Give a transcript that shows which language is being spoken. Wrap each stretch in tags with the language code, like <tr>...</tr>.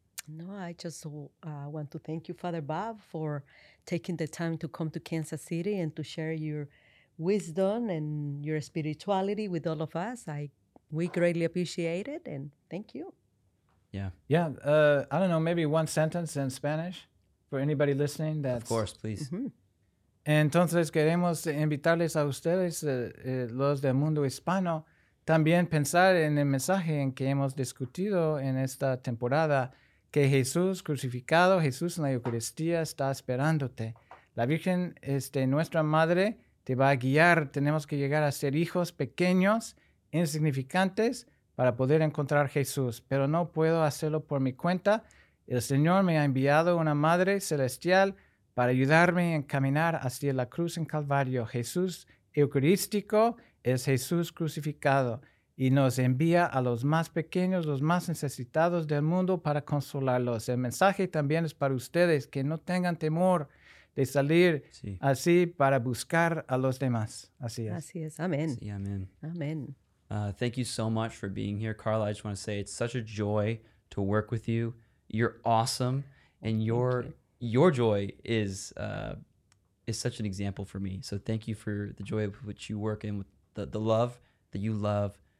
<en>No, I just want to thank you, Father Bob, for taking the time to come to Kansas City and to share your wisdom and your spirituality with all of us. We greatly appreciate it, and thank you. Yeah. Yeah, I don't know, maybe one sentence in Spanish for anybody listening. Of course, please. Mm-hmm.</en> <es>Entonces queremos invitarles a ustedes, los del mundo hispano, también pensar en el mensaje en que hemos discutido en esta temporada. Que Jesús crucificado, Jesús en la Eucaristía, está esperándote. La Virgen, nuestra Madre, te va a guiar. Tenemos que llegar a ser hijos pequeños, insignificantes, para poder encontrar Jesús. Pero no puedo hacerlo por mi cuenta. El Señor me ha enviado una Madre Celestial para ayudarme a caminar hacia la cruz en Calvario. Jesús Eucarístico es Jesús crucificado. Y nos envía a los más pequeños, los más necesitados del mundo para consolarlos. El mensaje también es para ustedes, que no tengan temor de salir así para buscar a los demás. Así es. Así es. Amén. Sí, amén. Amén.</es> <en>Thank you so much for being here, Karla. I just want to say it's such a joy to work with you. You're awesome. And your joy is such an example for me. So thank you for the joy of which you work in, with the love that you love.</en>